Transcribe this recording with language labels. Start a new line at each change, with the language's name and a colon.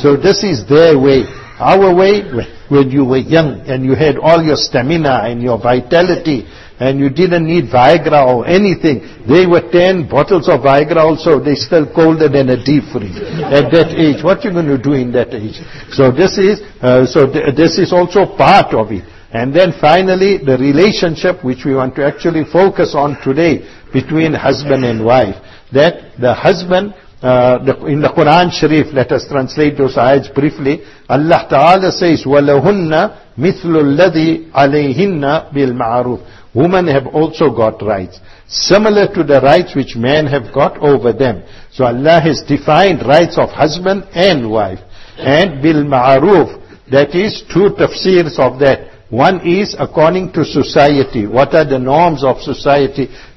English: So this is their way. Our way, when you were young and you had all your stamina and your vitality and you didn't need Viagra or anything, they were 10 bottles of Viagra also, they still colder than a deep freeze at that age. What are you going to do in that age? So this is this is also part of it. And then finally, the relationship which we want to actually focus on today between husband and wife, that the husband... In the Quran Sharif, let us translate those ayats briefly. Allah Ta'ala says,
Arabic: وَلَهُنَّ مِثْلُ الَّذِي عَلَيْهِنَّ بِالْمَعْرُوفِ.
English: Women have also got rights, similar to the rights which men have got over them. So Allah has defined rights of husband and wife. And بِالْمَعْرُوف, that is two tafsirs of that. One is according to society. What are the norms of society?